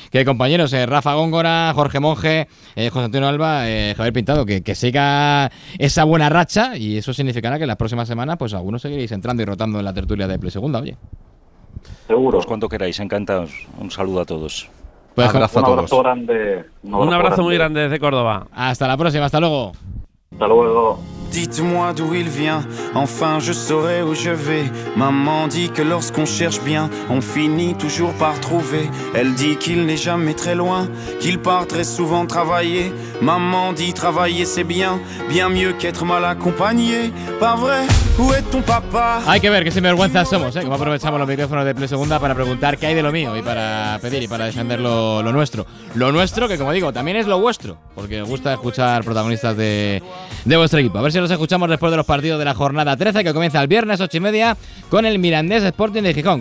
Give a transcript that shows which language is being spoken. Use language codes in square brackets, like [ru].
[es] Que compañeros, Rafa Góngora, Jorge Monge, José Antonio Alba, Javier Pintado, que siga esa buena racha, y eso significará que las próximas semana, pues algunos seguiréis entrando y rotando en la tertulia de Play Segunda, oye. Seguro. Pues cuando queráis, encantados. Un saludo a todos. Pues, abrazo a todos. Abrazo grande, un abrazo grande. Muy grande desde Córdoba. Hasta la próxima, hasta luego. Hasta luego. [fr] Dites-moi d'où il vient, enfin je saurai où je vais. Maman dit que lorsqu'on cherche bien, on finit toujours par trouver. Elle dit qu'il n'est jamais très loin, qu'il part très souvent travailler. Maman dit travailler c'est bien, bien mieux qu'être mal accompagné. Pas vrai, où est ton papa? [es] Hay que ver que sinvergüenza somos, ¿eh? Como aprovechamos los micrófonos de Play Segunda para preguntar qué hay de lo mío y para pedir y para defender lo nuestro. Lo nuestro, que como digo, también es lo vuestro, porque os gusta escuchar protagonistas de vuestro equipo. A ver si los escuchamos después de los partidos de la jornada 13, que comienza el viernes 8:30 con el Mirandés Sporting de Gijón.